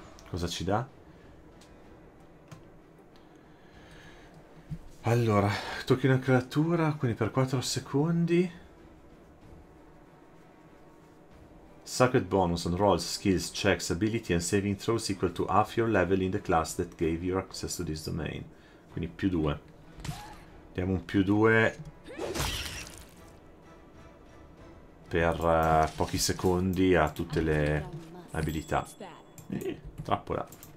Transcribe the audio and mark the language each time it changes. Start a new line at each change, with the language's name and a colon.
Italian: Cosa ci dà? Allora, tocchi una creatura, quindi per 4 secondi.
English: Sacred bonus on rolls, skills, checks, ability and saving throws equal to half your level in the class that gave you access to this domain.
Italian: Quindi più 2. Diamo un più 2 per pochi secondi a tutte le abilità. Trappola.